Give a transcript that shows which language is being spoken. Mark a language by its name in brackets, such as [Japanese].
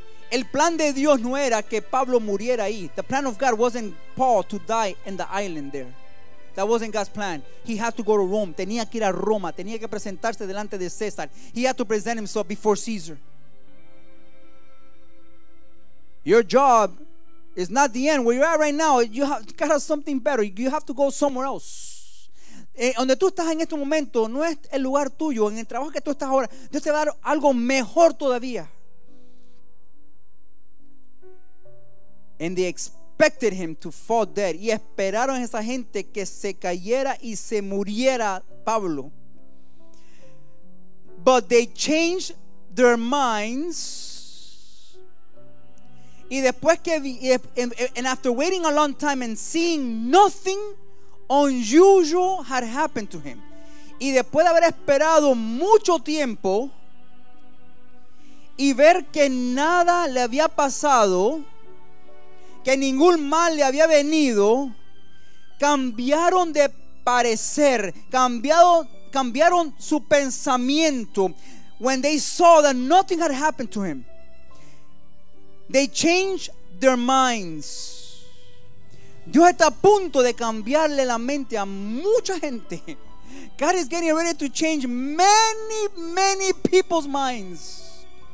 [Spanish] El plan de Dios no era que Pablo muriera ahí. [English] The plan of God wasn't Paul to die in the island there. That wasn't God's plan. He had to go to Rome. [Spanish] Tenía que ir a Roma. Tenía que presentarse delante de César. [English] He had to present himself before Caesar. Your job is not the end. Where you're at right now, you have to get something better. You have to go somewhere else. [Spanish] Donde tú estás en este momento no es el lugar tuyo. En el trabajo que tú estás ahora, Dios te va a dar algo mejor todavía. [English] And they expected him to fall dead. [Spanish] Y esperaron a esa gente que se cayera y se muriera Pablo. [English] But they changed their minds. [Spanish] Y después que [English] and after waiting a long time and seeing nothing unusual had happened to him. [Spanish] Y después de haber esperado mucho tiempo y ver que nada le había pasado, que ningún mal le había venido, cambiaron de parecer, cambiaron su pensamiento. [English] When they saw that nothing had happened to him, they changed their minds. [Spanish] Dios está a punto de cambiarle la mente a mucha gente. [English] God is getting ready to change many, many people's minds.